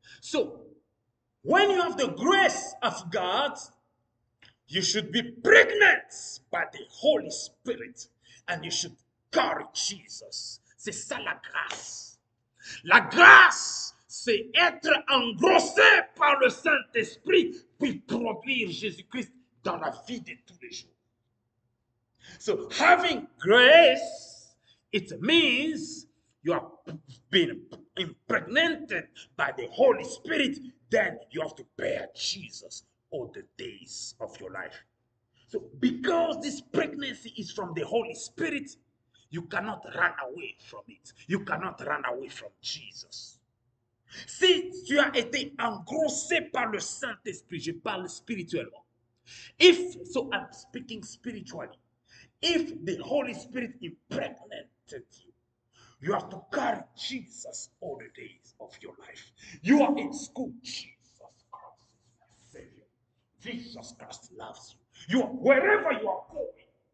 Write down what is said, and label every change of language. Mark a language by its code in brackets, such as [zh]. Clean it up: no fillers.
[en] So, when you have the grace of God, you should be pregnant by the Holy Spirit and you should carry Jesus. [fr] C'est ça la grâce. La grâce, c'est être engrossé par le Saint-Esprit puis produire Jésus-Christ dans la vie de tous les jours. [en] So, having grace, it means you are been impregnated by the Holy Spirit, then you have to bear Jesus all the days of your life. So because this pregnancy is from the Holy Spirit, you cannot run away from it. You cannot run away from Jesus. [fr] Si tu as été engrossé par le Saint-Esprit, je parle spirituellement. [en] So I'm speaking spiritually. If the Holy Spirit impregnated you, you have to carry Jesus all the days of your life. You are in school. Jesus Christ is my Savior. Jesus Christ loves you. You are wherever you are going.